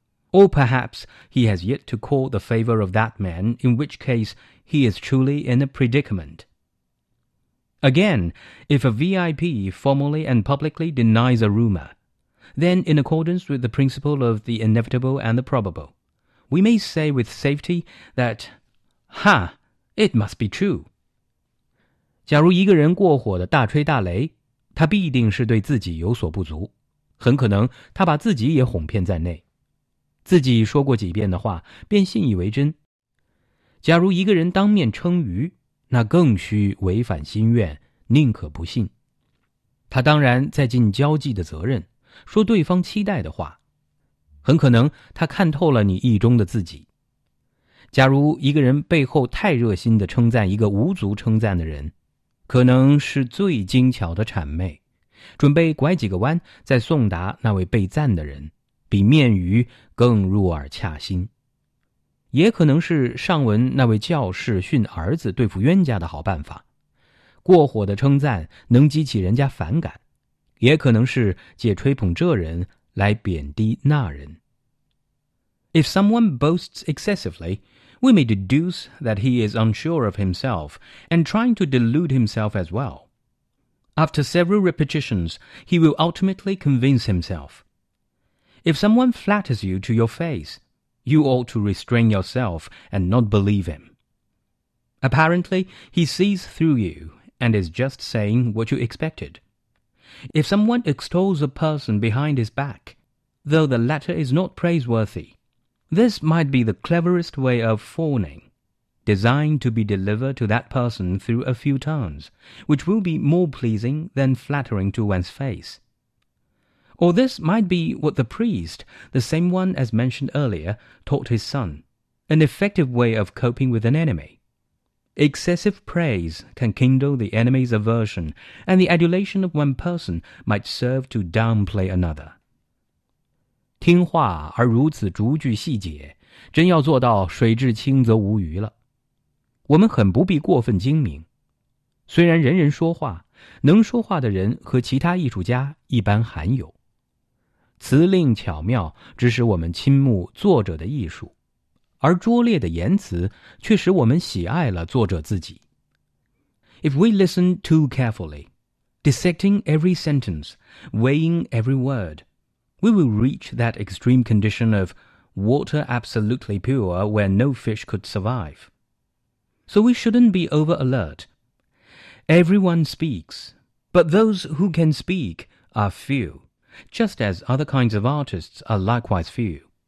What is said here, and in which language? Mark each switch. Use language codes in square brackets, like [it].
[en] Or perhaps he has yet to call the favor of that man, in which case he is truly in a predicament. Again, if a VIP formally and publicly denies a rumor, then in accordance with the principle of the inevitable and the probable,We may say with safety that, ha, it must be true. [zh] 假如一个人过火的大吹大擂，他必定是对自己有所不足，很可能他把自己也哄骗在内，自己说过几遍的话便信以为真。假如一个人当面称愚，那更需违反心愿，宁可不信。他当然在尽交际的责任，说对方期待的话。很可能他看透了你意中的自己。假如一个人背后太热心地称赞一个无足称赞的人，可能是最精巧的谄媚，准备拐几个弯再送达那位被赞的人，比面谀更入耳恰心。也可能是上文那位教士训儿子对付冤家的好办法。过火的称赞能激起人家反感，也可能是借吹捧这人来贬低那人。 [en] If someone boasts excessively, we may deduce that he is unsure of himself and trying to delude himself as well. After several repetitions, he will ultimately convince himself. If someone flatters you to your face, you ought to restrain yourself and not believe him. Apparently, he sees through you and is just saying what you expected. If someone extols a person behind his back, though the latter is not praiseworthy, this might be the cleverest way of fawning, designed to be delivered to that person through a few tones, which will be more pleasing than flattering to one's face. Or this might be what the priest, the same one as mentioned earlier, taught his son, an effective way of coping with an enemy. Excessive praise can kindle the enemy's aversion, and the adulation of one person might serve to downplay another. [zh] 听话而如此逐句细解，真要做到水至清则无鱼了。我们很不必过分精明。虽然人人说话，能说话的人和其他艺术家一般罕有。辞令巧妙，只使我们倾慕作者的艺术。而拙劣的言辞却使我们喜爱了作者自己。 [en] If we listen too carefully, dissecting every sentence, weighing every word, we will reach that extreme condition of water absolutely pure where no fish could survive. So we shouldn't be over alert. Everyone speaks, but those who can speak are few, just as other kinds of artists are likewise few.